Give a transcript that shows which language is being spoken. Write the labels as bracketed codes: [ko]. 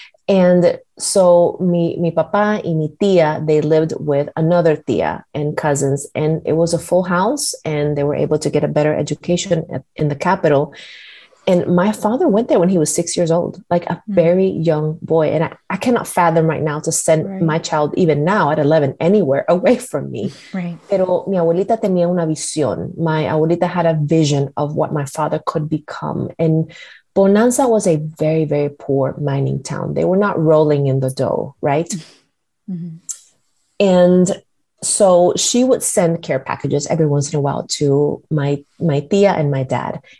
[en] And so [es] mi papá y mi tía, [en] they lived with another tía and cousins, and it was a full house and they were able to get a better education in the capital. And my father went there when he was 6 years old, like a very young boy. And I cannot fathom right now to send my child, even now at 11, anywhere away from me. Right. [es] Pero mi abuelita tenía una visión. [en] My abuelita had a vision of what my father could become. And Bonanza was a very, very poor mining town. They were not rolling in the dough, right? Mm-hmm. And so she would send care packages every once in a while to my tía and my dad.